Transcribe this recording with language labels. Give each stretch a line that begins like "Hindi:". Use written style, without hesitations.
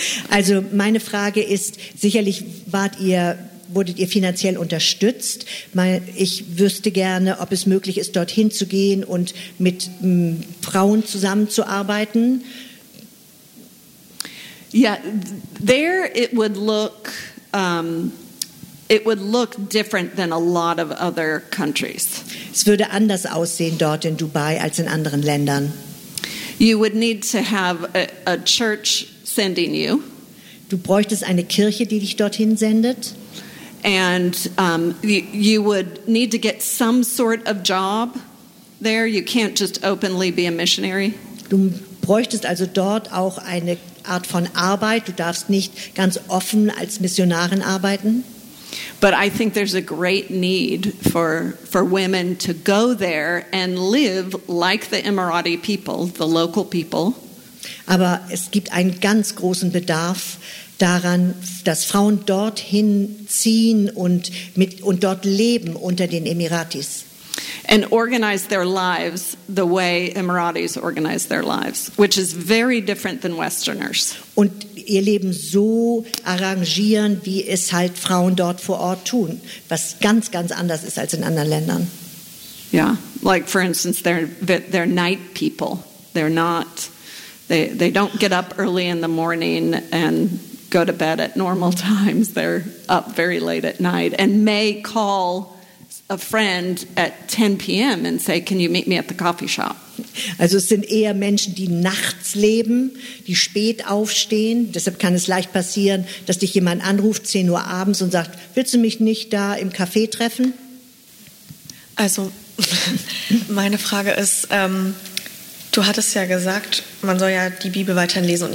German: Also, meine Frage ist, sicherlich wurdet ihr finanziell unterstützt? Ich wüsste gerne, ob es möglich ist, dorthin zu gehen und mit Frauen zusammenzuarbeiten.
English: Yeah, there it would look different than a lot of other countries.
German: Es würde anders aussehen dort in Dubai als in anderen Ländern.
English: You would need to have a church sending you.
German: Du bräuchtest eine Kirche, die dich dorthin sendet.
English: And you would need to get some sort of job there. You can't just openly be a missionary.
German: Du bräuchtest also dort auch eine Art von Arbeit. Du darfst nicht ganz offen als Missionarin arbeiten.
English: But I think there's a great need for women to go there and live like the Emirati people, the local people.
German: Aber es gibt einen ganz großen Bedarf daran, dass Frauen dorthin ziehen und dort leben unter den Emiratis.
English: And organize their lives the way Emiratis organize their lives, which is very different than Westerners.
German: Und ihr Leben so arrangieren, wie es halt Frauen dort vor Ort tun, was ganz, ganz anders ist als in anderen Ländern.
English: Yeah, like for instance, they're night people. They're not, they don't get up early in the morning and go to bed at normal times. They're up very late at night and may call a friend at 10 p.m. and say, can you meet me at the coffee shop?
German: Also es sind eher Menschen, die nachts leben, die spät aufstehen. Deshalb kann es leicht passieren, dass dich jemand anruft 10 Uhr abends und sagt, willst du mich nicht da im Café treffen? Also meine Frage ist, du hattest ja gesagt, man soll ja die Bibel weiterlesen.